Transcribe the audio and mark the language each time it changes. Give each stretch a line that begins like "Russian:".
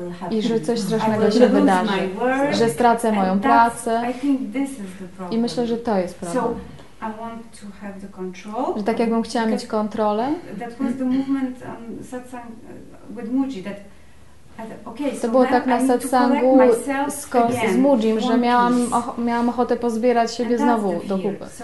Polish: I że coś strasznego się wydarzy. Że stracę moją pracę. I myślę, że to jest problem.
English: I want to have the control.
Polish: Że tak jakbym chciała mieć kontrolę.
English: That was the movement on satsang with Muji, that
Polish: to było tak na satsangu z Mujim, że miałam ochotę pozbierać siebie znowu do kupy.